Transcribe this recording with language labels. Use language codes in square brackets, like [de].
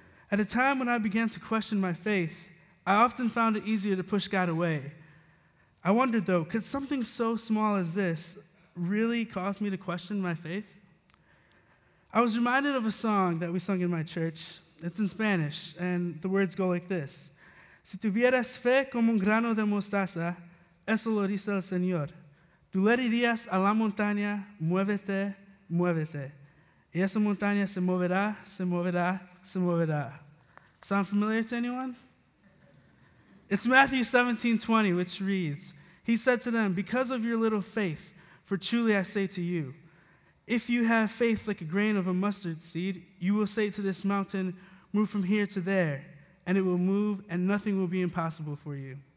[en] At a time when I began to question my faith, I often found it easier to push God away. I wondered, though, could something so small as this really cause me to question my faith? I was reminded of a song that we sung in my church. It's in Spanish, and the words go like this. [es] Si tuvieras fe como un grano de mostaza, eso lo dice el Señor. Tú le dirías a la montaña, muévete, muévete. Y esa montaña se moverá, se moverá, se moverá. [en] Sound familiar to anyone? It's Matthew 17:20, which reads, He said to them, Because of your little faith, for truly I say to you, if you have faith like a grain of a mustard seed, you will say to this mountain, Move from here to there, and it will move, and nothing will be impossible for you.